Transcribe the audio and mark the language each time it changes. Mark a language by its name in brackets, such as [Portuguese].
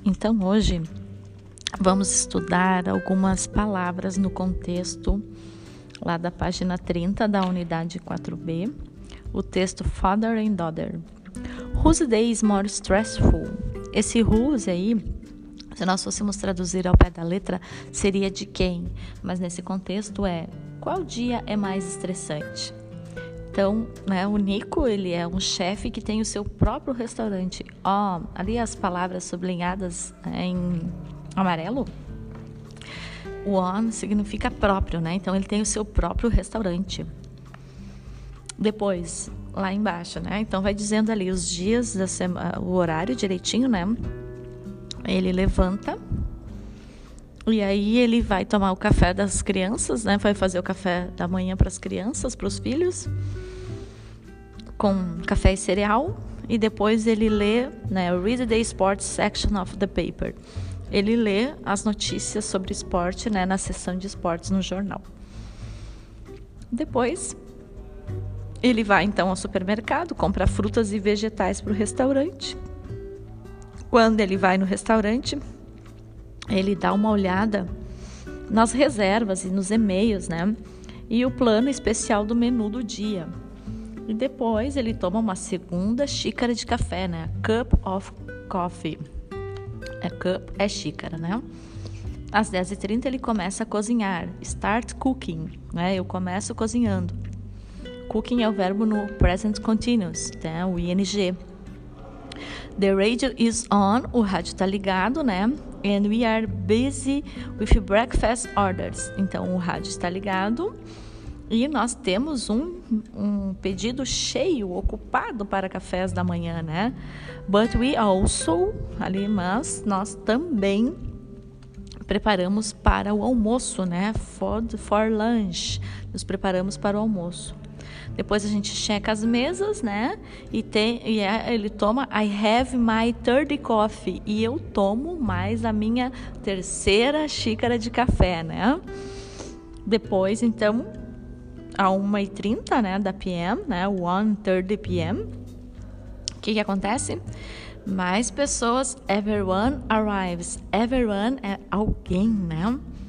[Portuguese] Então, hoje vamos estudar algumas palavras no contexto lá da página 30 da unidade 4B, o texto Father and Daughter. [English] Whose day is more stressful? [Portuguese] Esse whose aí, se nós fôssemos traduzir ao pé da letra, seria de quem? Mas nesse contexto é, qual dia é mais estressante? Então, né, o Nico, ele é um chefe que tem o seu próprio restaurante. Ó, ali as palavras sublinhadas em amarelo. O on significa próprio, né? Então, ele tem o seu próprio restaurante. Depois, lá embaixo, né? Então, vai dizendo ali os dias, da semana, o horário direitinho, né? Ele levanta. E aí, ele vai tomar o café das crianças, né? Vai fazer o café da manhã para as crianças, para os filhos. Com café e cereal. E depois ele lê, né? [English] Read the sports section of the paper. [Portuguese] Ele lê as notícias sobre esporte, né? Na seção de esportes no jornal. Depois, ele vai, então, ao supermercado, compra frutas e vegetais para o restaurante. Quando ele vai no restaurante, ele dá uma olhada nas reservas e nos e-mails, né? E o plano especial do menu do dia. E depois ele toma uma segunda xícara de café, né? [English] A cup of coffee. A cup [Portuguese] é xícara, né? Às 10h30 ele começa a cozinhar. [English] Start cooking, [Portuguese] né? Eu começo cozinhando. Cooking é o verbo no present continuous, né? O ing. [English] The radio is on, [Portuguese] o rádio tá ligado, né? [English] And we are busy with breakfast orders. [Portuguese] Então, o rádio está ligado e nós temos um pedido cheio, ocupado para cafés da manhã, né? [English] But we also, [Portuguese] ali, mas nós também preparamos para o almoço, né? [English] For lunch, [Portuguese] nos preparamos para o almoço. Depois a gente checa as mesas, né? Ele toma, [English] I have my third coffee. [Portuguese] E eu tomo mais a minha terceira xícara de café, né? Depois, então, a 1h30, né, da PM, né? 1:30 PM. O que acontece? Mais pessoas, [English] everyone arrives. [Portuguese] Everyone é alguém, né?